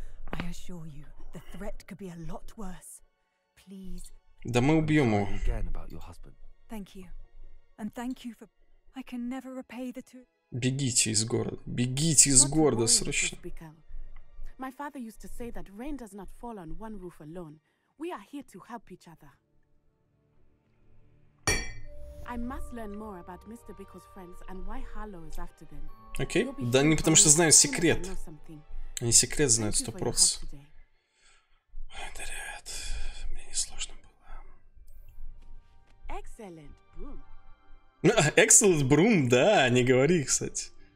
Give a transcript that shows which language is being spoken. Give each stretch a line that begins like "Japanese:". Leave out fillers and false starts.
English: I assure you, the threat could be a lot worse. Please.
Russian: Да мы убьем его.
English: Thank you. And thank you for I can never repay the two.
Russian: Бегите из города. Бегите из города срочно.
English: My father used to say that rain does not fall on one roof alone. We are here to help each other. I must learn more about Mr. Bickle's friends and why Harlow is after them.
Russian: Окей. Да не потому что знаю секрет. Они секрет знают 100%. Ой, да ребят, мне не сложно было.
English: Excellent broom.
Russian: Ну,
English: excellent broom,
Russian: да, не говори, кстати.